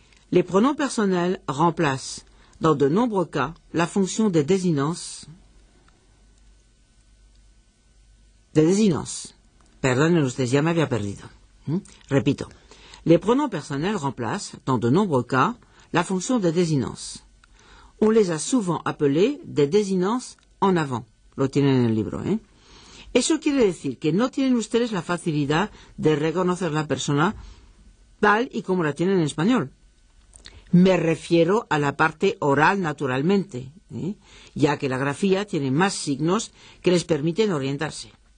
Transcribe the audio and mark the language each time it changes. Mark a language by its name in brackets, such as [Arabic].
[French] Le pronom personnel remplace, dans de nombreux cas, la fonction de désinence. De désinence. [Spanish] Perdonen ustedes, ya me había perdido. Repito. [French] Le pronom personnel remplace, dans de nombreux cas, la fonction de désinence. On les a souvent appelés des désinences en avant. [Spanish] Lo tienen en el libro, Eso quiere decir que no tienen ustedes la facilidad de reconocer la persona tal y como la tienen en español. Me refiero a la parte oral naturalmente, ya que la grafía tiene más signos que les permiten orientarse.